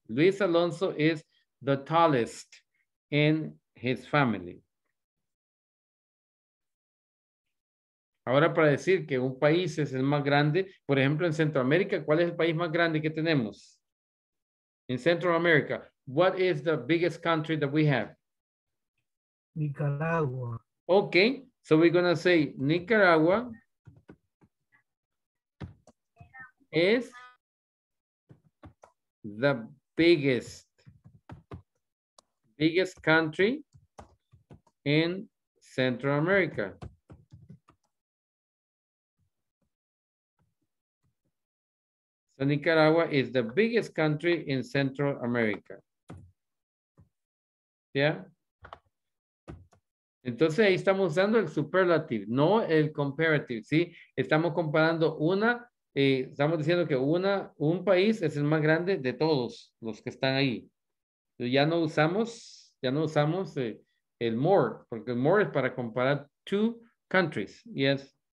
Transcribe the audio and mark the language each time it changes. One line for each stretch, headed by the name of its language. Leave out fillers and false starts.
English: Luis Alonso is the tallest in his family.
Spanish: Ahora, para decir que un país es el más grande, por ejemplo, en Centroamérica, ¿cuál es el país más grande que tenemos?
English: In Central America, what is the biggest country that we have? Nicaragua. Okay, so we're going to say Nicaragua is the biggest country in Central America. So Nicaragua is the biggest country in Central America. Yeah?
Spanish: Entonces, ahí estamos usando el superlative, no el comparative, ¿sí? Estamos comparando una, estamos diciendo que un país es el más grande de todos los que están ahí. Ya no usamos el more, porque el more es para comparar
English: two countries, yes.